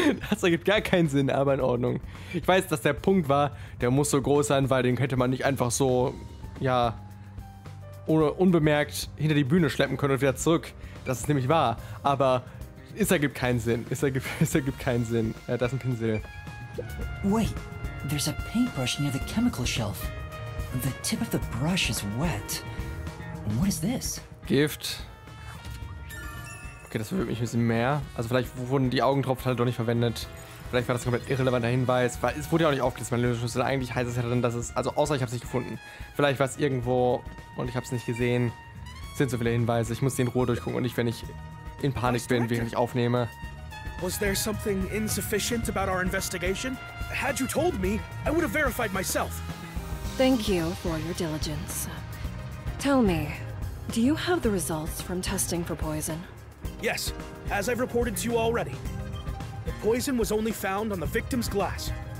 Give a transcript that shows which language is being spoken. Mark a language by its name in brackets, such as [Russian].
[German] Das ergibt gar keinen Sinn, aber in Ordnung. Ich weiß, dass der Punkt war, der muss so groß sein, weil den hätte man nicht einfach so, ja, unbemerkt hinter die Bühne schleppen können und wieder zurück. Das ist nämlich wahr, aber es ergibt keinen Sinn. Es ergibt keinen Sinn. Ja, das ist ein Pinsel. [English] Wait, there's a paintbrush near the chemical shelf. The tip of the brush is wet. What is this? [German] Gift. Okay, das verwirrt mich ein bisschen mehr. Also vielleicht wurden die Augentropfen halt doch nicht verwendet. Vielleicht war das ein komplett irrelevanter Hinweis. Weil es wurde ja auch nicht aufgelistet, mein Lösungsschlüssel. Eigentlich heißt es ja dann, dass es... Also außer ich habe es nicht gefunden. Vielleicht war es irgendwo und ich habe es nicht gesehen. Es sind so viele Hinweise. Ich muss die in Ruhe durchgucken und nicht, wenn ich in Panik bin, während ich aufnehme. [English] Was there something insufficient about our investigation? Had you told me, I would have verified myself. Thank you for your diligence. Tell me, do you have the results from testing for poison? Yes, as I've reported to you already. The poison was only found on the victim's glass.